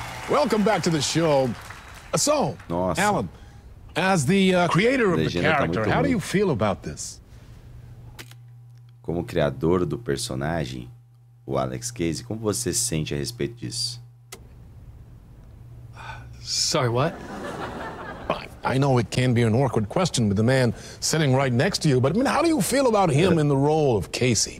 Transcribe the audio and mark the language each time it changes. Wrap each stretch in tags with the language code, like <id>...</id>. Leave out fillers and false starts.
<en>Welcome back to the show. So,</en> <pt>Nossa.</pt> <en>Alan, as the creator of the character, how do you feel about this?</en> <pt>Como criador do personagem, o Alex Casey, como você se sente a respeito disso?</pt> <en>Sorry, what? I know it can be an awkward question with the man sitting right next to you, but I mean, how do you feel about him in the role of Casey?</en>